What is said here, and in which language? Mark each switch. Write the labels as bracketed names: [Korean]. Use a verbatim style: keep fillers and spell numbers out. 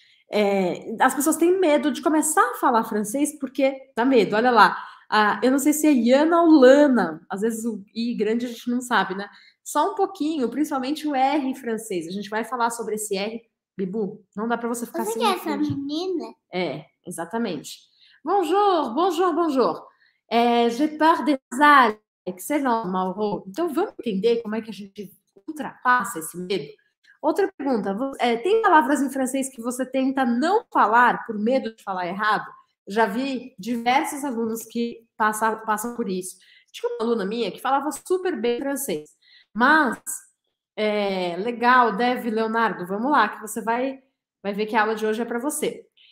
[Portuguese] É, as pessoas têm medo de começar a falar francês porque dá medo. Olha lá, ah, eu não sei se é Iana ou Lana, às vezes o I grande a gente não sabe, né? Só um pouquinho, principalmente o R francês. A gente vai falar sobre esse R. Bibu, não dá para você ficar Você assim. quer essa menina? É, exatamente. [French] Bonjour, bonjour, bonjour. É, j'ai peur des nasales. Excellent, Mauro. [Portuguese] Então, vamos entender como é que a gente ultrapassa esse medo? Outra pergunta. vo- é, tem palavras em francês que você tenta não falar por medo de falar errado? Já vi diversos alunos que passam, passam por isso. Tinha uma aluna minha que falava super bem francês, mas é, legal, deve, Leonardo, vamos lá, que você vai, vai ver que a aula de hoje é para você.